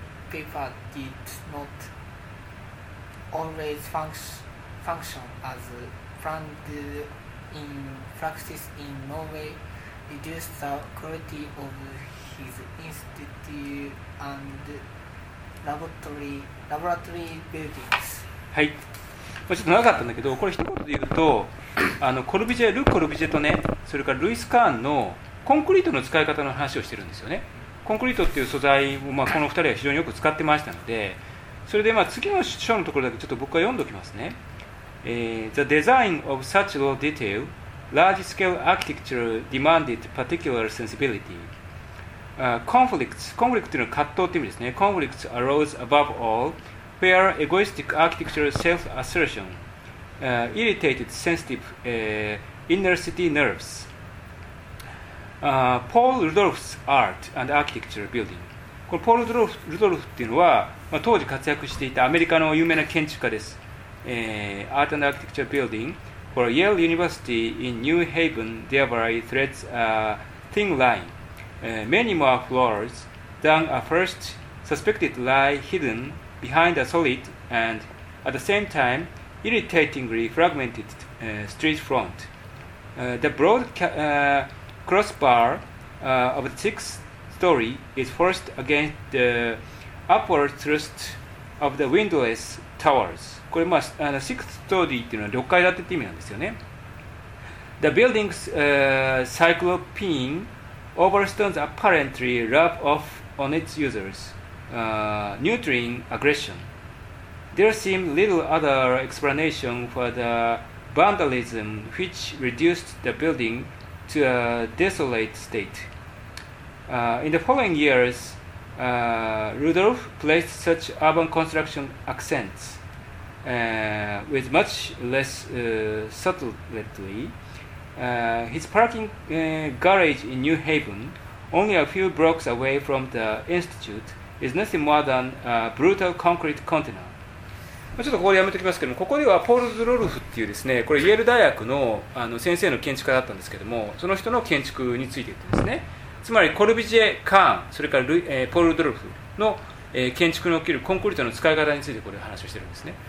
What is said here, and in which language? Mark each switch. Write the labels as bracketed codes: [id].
[en] Paper did not always function as planned in practice, in no way reduced the quality of his institute and laboratory buildings. [ja] はい、まあ、ちょっと長かったんだけど、これ一言で言うと、コルビジェ、ル・コルビジェとね、それからルイス・カーンのコンクリートの使い方の話をしてるんですよね。コンクリートっていう素材を、まあ、この2人は非常によく使ってましたので、それでまあ次の章のところだけちょっと僕は読んでおきますね。 [en] The design of such low detail, large-scale architecture demanded particular sensibility. [ja] Conflicts というのは葛藤という意味ですね。 [en] Conflicts arose above all, where egoistic architecture self-assertion irritated sensitive inner city nerves. Paul Rudolph's art and architecture building. [ja] このポール・ルドルフというのは、まあ、当時活躍していたアメリカの有名な建築家です。 [en] Art and architecture building for Yale University in New Haven thereby threads a thin line. Many more flaws than a first suspected lie hidden behind a solid and at the same time irritatingly fragmented street front. The broad crossbar of the sixth story is forced against the upward thrust of the windowless towers. これまあ、あの sixth story っていうのは六階建てって意味なんですよね。 The building's cyclopean. Overstones apparently rub off on its users, neutering aggression. There seemed little other explanation for the vandalism which reduced the building to a desolate state. In the following years, Rudolph placed such urban construction accents with much less subtlety. His parking garage in New Haven, only a few blocks away from the Institute, is nothing more than a brutal concrete container. [ja] ちょっとここでやめておきますけども、ここではポール・ズロルフっていうですね、これイェール大学 の, あの先生の建築家だったんですけども、その人の建築について言ってですね、つまりコルビジェ・カーン、それからポール・ズロルフの、建築におけるコンクリートの使い方についてこれ話をしてるんですね。